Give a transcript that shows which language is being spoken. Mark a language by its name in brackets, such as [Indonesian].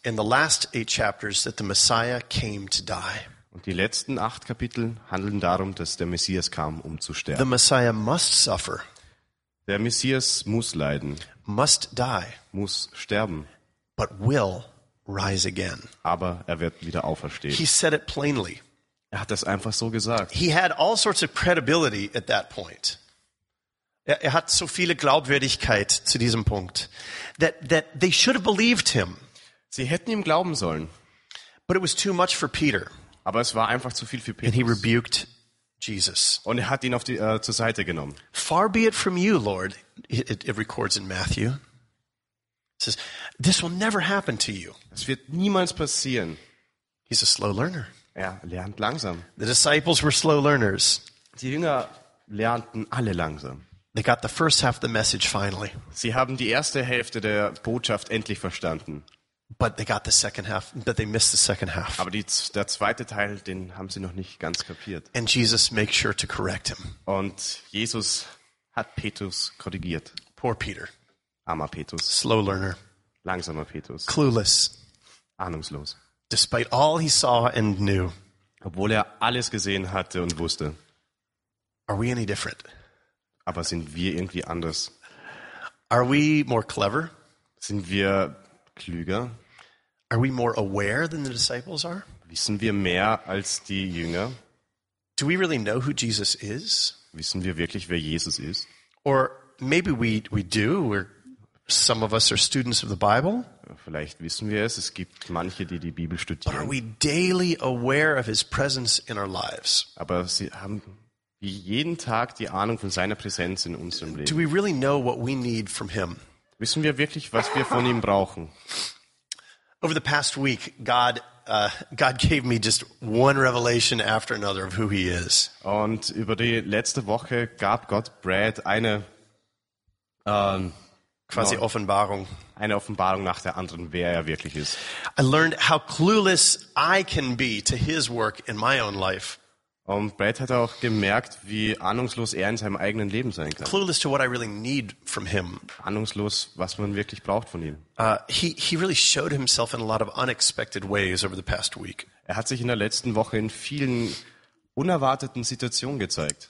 [English] In the last 8 chapters that the Messiah came to die. [German] Und die letzten 8 Kapitel handeln darum, dass der Messias kam, um zu sterben. [English] The Messiah must suffer. [German] Der Messias muss leiden. [English] Must die. [German] Muss sterben. [English] But will rise again. [German] Aber er wird wieder auferstehen. [English] He said it plainly. [German] Er hat das einfach so gesagt. [English] He had all sorts of credibility at that point. [German] Er hat so viele Glaubwürdigkeit zu diesem Punkt, [English] that they should have believed him. [German] Sie hätten ihm glauben sollen. [English] But it was too much for Peter. [German] Aber es war einfach zu viel für Petrus. [English] And he rebuked Jesus. [German] Und er hat ihn auf die zur Seite genommen. [English] Far be it from you, Lord, it records in Matthew. It says, this will never happen to you. [German] Es wird niemals passieren. [English] He's a slow learner. [German] Er lernt langsam. [English] The disciples were slow learners. [German] Die Jünger lernten alle langsam. [English] They got the first half of the message finally. [German] Sie haben die erste Hälfte der Botschaft endlich verstanden. [English] But they got the second half, but they missed the second half. [German] Aber der zweite Teil, den haben sie noch nicht ganz kapiert. [English] And Jesus makes sure to correct him. [German] Und Jesus hat Petrus korrigiert. [English] Poor Peter. [German] Armer Petrus. [English] Slow learner. [German] Langsamer Petrus. [English] Clueless. [German] Ahnungslos. [English] Despite all he saw and knew. [German] Obwohl er alles gesehen hatte und wusste. [English] Are we any different? [German] Aber sind wir irgendwie anders? [English] Are we more clever? [German] Sind wir klüger? [English] Are we more aware than the disciples are? [German] Wissen wir mehr als die Jünger? [English] Do we really know who Jesus is? [German] Wissen wir wirklich, wer Jesus ist? [English] Or maybe we do. Some of us are students of the Bible. [German] Vielleicht wissen wir es. Es gibt manche, die die Bibel studieren. [English] But are we daily aware of his presence in our lives? [German] Aber sie haben jeden Tag die Ahnung von seiner Präsenz in unserem Leben. [English] Do we really know what we need from him? [German] Wissen wir wirklich, was wir von ihm brauchen? [English] Over the past week, God gave me just one revelation after another of who he is. [German] Und über die letzte Woche gab Gott Brad eine quasi Offenbarung. Eine Offenbarung nach der anderen, wer er wirklich ist. [English] I learned how clueless I can be to his work in my own life. [German] Und Brad hat auch gemerkt, wie ahnungslos er in seinem eigenen Leben sein kann. [English] Clueless to what I really need from him. [German] Ahnungslos, was man wirklich braucht von ihm. [English] He really showed himself in a lot of unexpected ways over the past week. [German] Er hat sich in der letzten Woche in vielen unerwarteten Situationen gezeigt.